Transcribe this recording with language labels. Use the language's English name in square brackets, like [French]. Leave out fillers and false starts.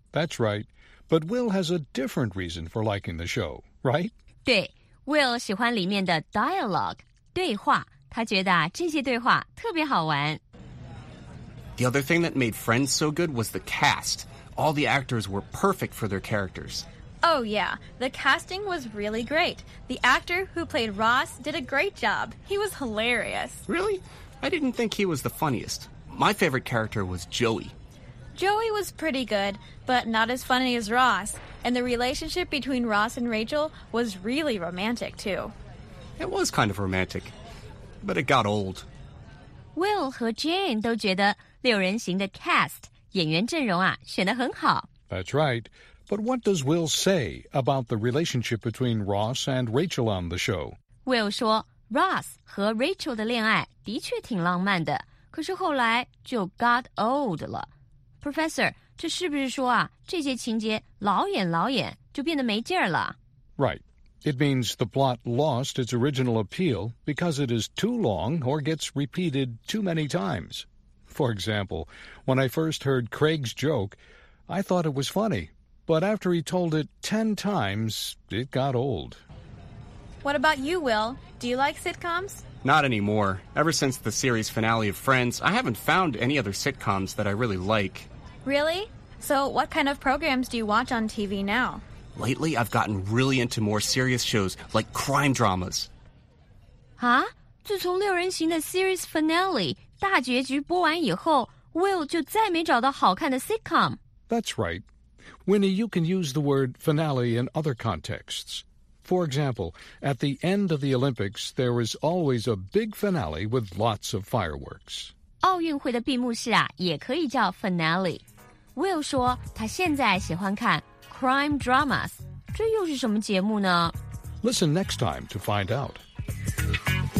[English] That's right. But Will has a different reason for liking the show, right? [Chinese] 对 ，Will 喜欢里面的 dialogue 对话，他觉得啊这些对话特别好玩。 [English] The other thing that made Friends so good was the cast. All the actors were perfect for their characters. Oh yeah, the casting was really great. The actor who played Ross did a great job. He was hilarious. Really? I didn't think he was the funniest. My favorite character was Joey. Joey was pretty good, but not as funny as Ross. And the relationship between Ross and Rachel was really romantic, too. It was kind of romantic, but it got old. [Chinese] Will 和 Jane 都觉得六人行的 cast, 演员阵容啊选得很好。 [English] That's right. But what does Will say about the relationship between Ross and Rachel on the show? [Chinese] Will 说 Ross 和 Rachel 的恋爱的确挺浪漫的，可是后来就 [English] got old [Chinese] 了。 Professor, 这是不是说啊，这些情节老演老演就变得没劲儿了？ [English] Right. It means the plot lost its original appeal because it is too long or gets repeated too many times. For example, when I first heard Craig's joke, I thought it was funny. But after he told it 10 times, it got old. What about you, Will? Do you like sitcoms? Not anymore. Ever since the series finale of Friends, I haven't found any other sitcoms that I really like. Really? So what kind of programs do you watch on TV now? Lately, I've gotten really into more serious shows, like crime dramas. Huh? [Chinese] 自从六人行的 series finale, 大结局播完以后 ,Will 就再没找到好看的 sitcom. [English] That's right. Winnie, you can use the word finale in other contexts. For example, at the end of the Olympics, there is always a big finale with lots of fireworks. [Chinese] 奥运会的闭幕式啊，也可以叫 finale. Will 说他现在喜欢看 crime dramas. 这又是什么节目呢？ [English] Listen next time to find out.